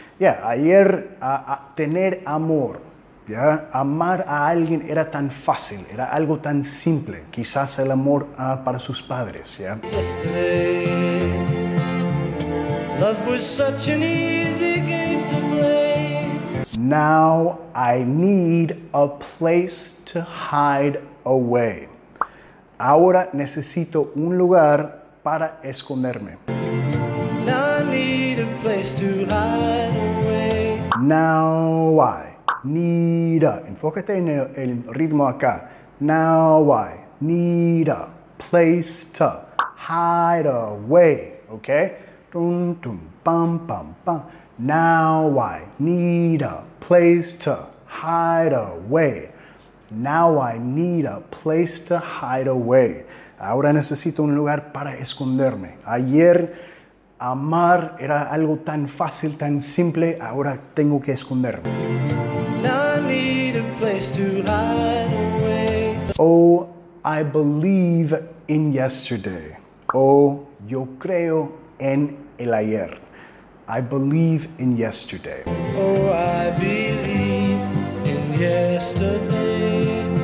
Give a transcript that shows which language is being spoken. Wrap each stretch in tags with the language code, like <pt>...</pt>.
<es>Yeah, ayer a tener amor, ¿ya? Amar a alguien era tan fácil, era algo tan simple. Quizás el amor para sus padres, ¿ya?</es> <en>Yesterday, love was such an easy game to play. Now I need a place to hide away.</en> <es>Ahora necesito un lugar para esconderme.</es> <en>Now I need a place to hide away. Now I need a.</en> <es>Enfócate en el ritmo acá.</es> <en>Now I need a place to hide away. ¿Ok? Tum, tum, pam, pam, pam. Now I need a place to hide away. Now I need a place to hide away.</en> <es>Ahora necesito un lugar para esconderme. Ayer amar era algo tan fácil, tan simple. Ahora tengo que esconderme.</es> <en>Now I need a place to hide away. Oh, I believe in yesterday.</en> <es>Oh, yo creo en el ayer.</es> <en>I believe in yesterday. Oh, I believe in yesterday.</en>